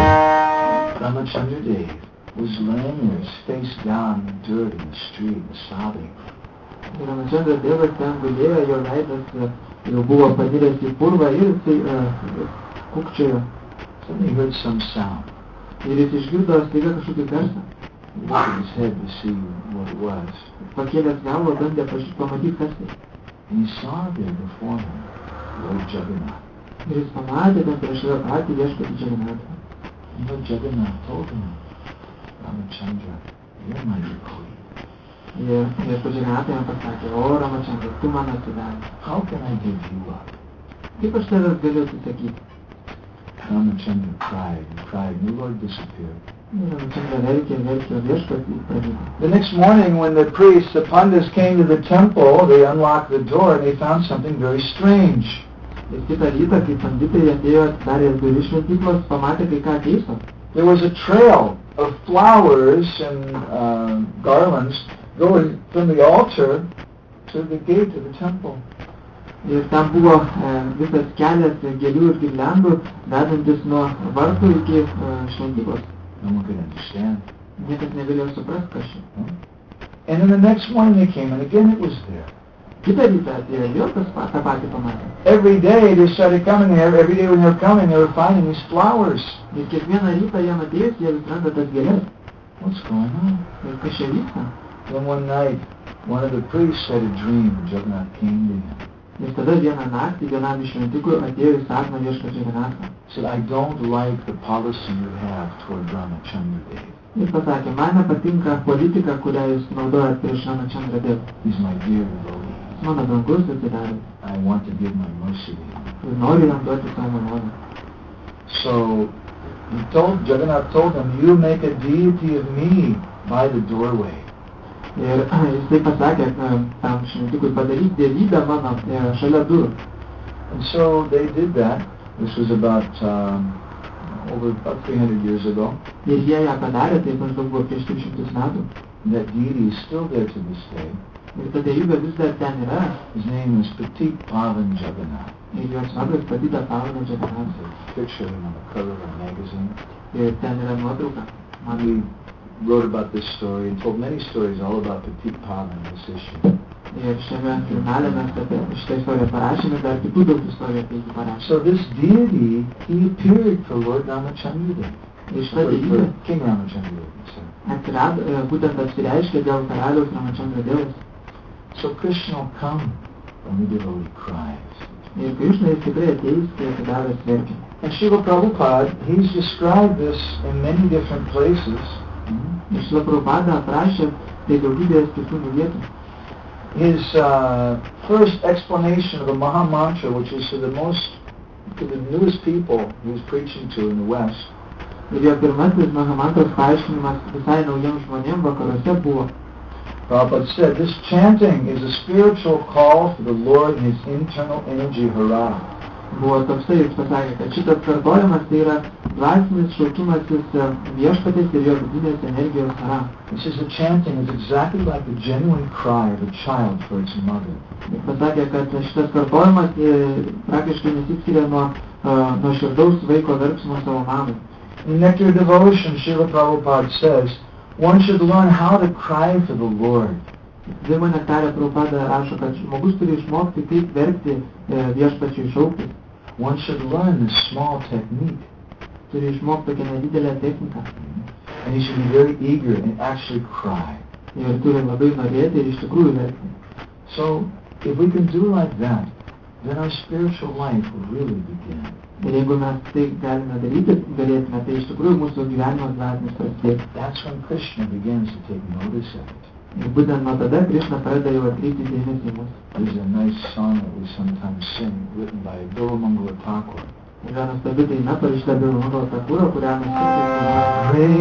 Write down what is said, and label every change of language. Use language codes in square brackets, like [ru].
[en] was laying there, his face down, dirty in the street, and sobbing. [lt] Ramachandra Deva ten gulėjo, jo veidas buvo paniręs į purvą ir jis kukčiojo. [en] Suddenly he heard some sound. [lt] Ir jis išgirdo staiga kažkokį garsą. [en] Lifted his head to see what it was. [lt] Pakėlęs galvą bandė pamatyti, kas tai. [en] And he saw there before him Lord Jagannath. [lt] Ir jis pamatė ten prieš savo patį viešpatį Jagannatą. [en] Lord Jagannath told him, Ramachandra, you're my devotee. [lt] Ir pažiūrėjate jam pasakė, o Ramachandra, tu man atsidavęs. [en] How can I give you up? [lt] Kaip aš tavęs galiu atsisakyti? [en] Ramachandra cried, and the Lord disappeared. [lt] Ramachandra verkė, verkė, viešpatį pradėjo. [en] The next morning when the priests, the pandas came to the temple, they unlocked the door and they found something very strange. [lt] Ir kitą rytą, kai panditai atėjo atsidarė duris šventyklos, pamatė kai ką keisto. [en] There was a trail of flowers and garlands going from the altar to the gate of the temple. [lt] Ir tam buvo visas kelias gėlių ir girliandų vedantis nuo vartų iki šventyklos. [en] No one could understand. [lt] Niekas negalėjo suprasti kas čia. [en] And in the next morning they came and again it was there. [lt] Kitą rytą atėjo ir jos tą patį pamatė. [en] Every day they started coming here, every day when they were coming they were finding these flowers. [lt] Ir kiekvieną rytą jam atėjus jie vis randa tas gėles. [en] What's going on? [lt] Ir kas čia vyksta? [en] Then one night, one of the priests had a dream and Jagannath came to him. [lt] Ir tada vieną naktį vienam iš šventikų atėjo į sapną viešpats Jagannatha. [en] Said, I don't like the policy you have toward Ramachandra Dev. [lt] Ir pasakė, man nepatinka politika, kurią jūs naudojat prieš Ramachandra Dev. [en] He's my dear devotee. [lt] Mano brangus atsidarė. [en] I want to give my mercy to him. [lt] Noriu jam duoti savo malonę. [en] So, Jagannath told him, you make a deity of me by the doorway. [lt] Ir jis taip pasakė tam šventikui padaryti dievybę mano šalia durų. [en] And so they did that. This was about 300 years ago. [lt] Ir jie ją padarė, tai maždaug buvo prieš 300 metų. [en] That deity is still there to this day. [lt] Ir ta dievybė vis dar ten yra. [en] His name is Patit Pavan Jagannath. [lt] Ir jos vardas Patita Pavan Jagannath. [en] Picture on the cover of a magazine. [lt] Ir ten yra nuotrauka. [en] Wrote about this story and told many stories all about Patit Pavan, this issue. [lt] Ir šiame žurnale mes apie šitą istoriją parašėme, dar kitų daug istorijų apie jį parašėme. [en] So this deity, he appeared for Lord Ramachandra. [lt] Ir šitą deityje [en] King Ramachandra. [lt] Atsirado, būtent apsireiškė dėl karaliaus Ramachandra Devas. [en] So Krishna will come when the devotee cries. [lt] Ir Krishna jis tikrai ateis, kai atsidavęs verkia. [en] And Srila Prabhupada, he's described this in many different places. [lt] Ir Srila Prabhupada aprašė tai daugybėje skirtingų vietų. [en] His first explanation of the Maha Mantra, which is to the newest people he was preaching to in the West. [lt] Ir jo pirmasis Maha Mantras paaiškinimas visai naujiems žmonėms vakaruose buvo. [en] Prabhupada said, this chanting is a spiritual call for the Lord and his internal energy hara. [lt] Buvo toksai, jis pasakė, kad šitas kartojimas tai yra dvasinis šaukimas viešpatės ir jo vidinės energijos hara. [en] This is a chanting is exactly like the genuine cry of a child for its mother. [lt] Jis pasakė, kad šitas kartojimas praktiškai nesiskiria nuo širdaus vaiko verksmo savo mamai. [en] In Nectar Devotion, Srila Prabhupada says, one should learn how to cry for the Lord. [lt] Dievo nektare Prabhupada rašo, kad žmogus turi išmokti, kaip verkti viešpačiui šaukti. [en] One should learn this small technique. [lt] Turi išmokti tokią nedidelę techniką. [en] And he should be very eager and actually cry. [lt] Ir turi labai norėti ir iš tikrųjų verkti. [en] So, if we can do like that, then our spiritual life will really begin. [lt] Ir jeigu mes tai galime daryti, galėtume, tai iš tikrųjų mūsų gyvenimas dvasinis prasidės. [en] That's when Krishna begins to take notice of it. [lt] Ir būtent nuo tada Krishna pradeda jau atkreipti dėmesį į mus. [en] There's a nice song that we sometimes sing, written by Dilamangala Thakura. [lt] Ir yra nuostabi daina parašyta Dilamangala Thakura, kurią mes